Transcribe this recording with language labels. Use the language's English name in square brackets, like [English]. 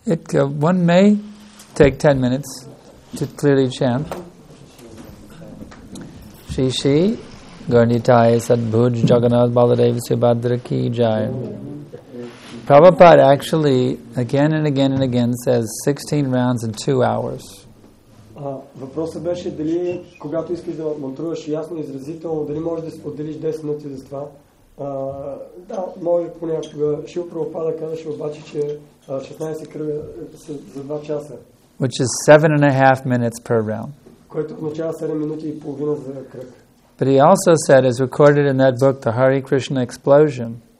[English] One may take 10 minutes to clearly chant. [Sanskrit] Shri Shri Garnitai Sadbhuj Jagannath Baladev Subhadra Ki Jai. [English] Prabhupada actually again and again and again says 16 rounds in 2 hours. [Bulgarian] Въпросът беше дали когато искаш да мантруваш ясно изразително, дали можеш да отделиш 10 минути за това. Да, може понякога. Шил Прабхупада казаше обаче, че 16 кръга са за 2 часа. [English] Which is 7.5 minutes per round. [Bulgarian] Което означава 7 минути и половина за кръг. [English] But he also said, as recorded in that book, the Hare Krishna explosion.